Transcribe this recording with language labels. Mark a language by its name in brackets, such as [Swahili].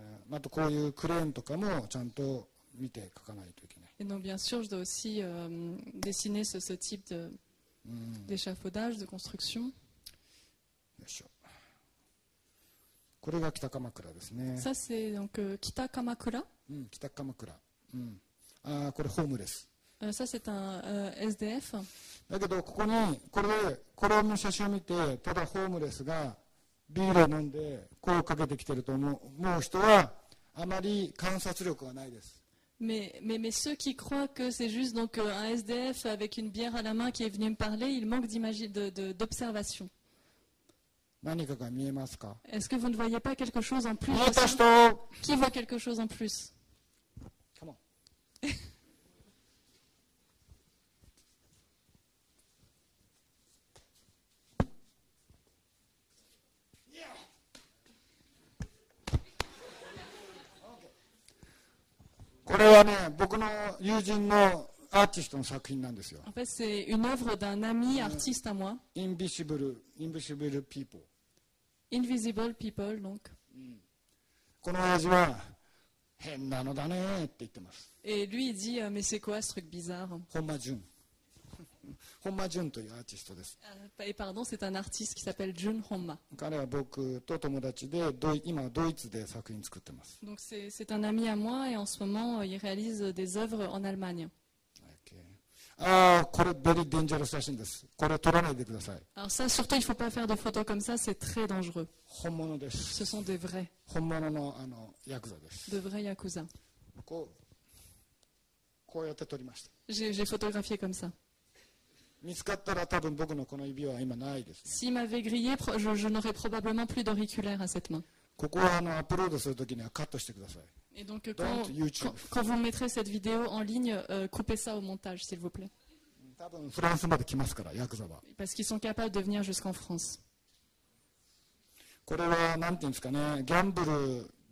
[Japanese] あとこういうクレーンとかもちゃんと見て書かないといけない。 [French] Et donc, bien sûr, je dois aussi dessiner ce type d'échafaudage, de construction. [Japanese] よいしょ。これが北鎌倉ですね。 [French] Ça, c'est donc 北鎌倉。 [Japanese] うん、北鎌倉。うん。ああこれホームレス。 [French] ça c'est un SDF。 [Japanese] だけどここにこれの写真を見てただホームレスがビールを飲んで声をかけてきてると思う人はあまり観察力がないです。 [French] Mais ceux qui croient que c'est juste donc un SDF avec une bière à la main qui est venu me parler, il manque d'observation. [Japanese] 何かが見えますか [French] ？Est-ce que vous ne voyez pas quelque chose en plus？ [Japanese] 私と。 [French] Qui voit quelque chose en plus？ [Japanese] これはね、僕の友人のアーティストの作品なんですよ。 [French] En fait, c'est une œuvre d'un ami artiste à moi. [English] Invisible people. Invisible people, donc. [Japanese] この親父は変なのだねって言ってます。 [French] Et lui, il dit, mais c'est quoi ce truc bizarre? [Japanese] Honma Jun. Honma Jun というアーティストです。 [French] Et pardon, c'est un artiste qui s'appelle Jun Honma. [Japanese] 彼は僕と友達で、今ドイツで作品作ってます。 [French] Donc c'est un ami à moi et en ce moment il réalise des œuvres en Allemagne. [Japanese] Ah, これ [English] very dangerous [Japanese] 写真です。これ撮らないでください。 [French] Alors ça, surtout, il faut pas faire de photos comme ça, c'est très dangereux. [Japanese] 本物です。 [French] Ce sont des vrais. [Japanese] 本物のあのヤクザです。 [French] De vrais yakuza. [Japanese] こうやって撮りました。 [French] J'ai photographié comme ça. [Japanese] 見つかったら多分僕のこの指は今ないです、ね。 [French] S'il m'avait grillé, je n'aurais probablement plus d'auriculaire à cette main. [Japanese] ここはあのアップロードするときにはカットしてください。 [French] Et donc quand vous mettrez cette vidéo en ligne, coupez ça au montage, s'il vous plaît. [Japanese] 多分フランスまで来ますからヤクザは。 [French] Parce qu'ils sont capables de venir jusqu'en France. [Japanese] これはなんていうんですかね、ギャンブル